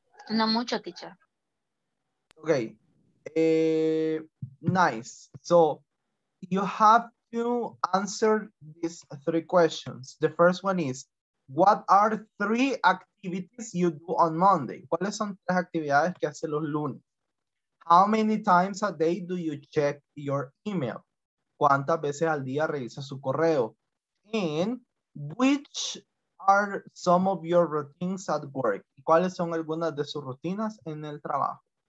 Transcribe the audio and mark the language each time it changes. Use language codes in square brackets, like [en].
[es] No mucho, teacher. [en] Okay. Nice. So you have to answer these three questions. The first one is, what are three activities you do on Monday? [es] ¿Cuáles son tres actividades que hace los lunes? [en] How many times a day do you check your email? [es] ¿Cuántas veces al día revisa su correo? [en] And which are some of your routines at work? [es] ¿Cuáles son algunas de sus rutinas en el trabajo?